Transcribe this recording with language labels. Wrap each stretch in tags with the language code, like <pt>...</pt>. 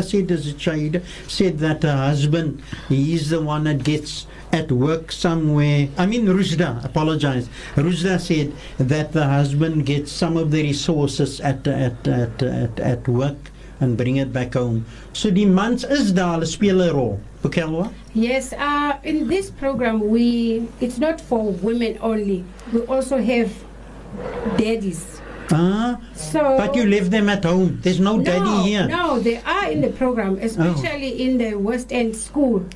<en>As Shahida said that her husband, he's the one that gets at work somewhere. I mean, Ruzda said that the husband gets some of the resources at work and bring it back home.</en> <af>So die mans is daar, speel 'n rol.</af> <en>Bukelwa? Yes, in this program, it's not for women only. We also have daddies. But you leave them at home. There's no daddy here. No, they are in the program, especially in the West End school.</en>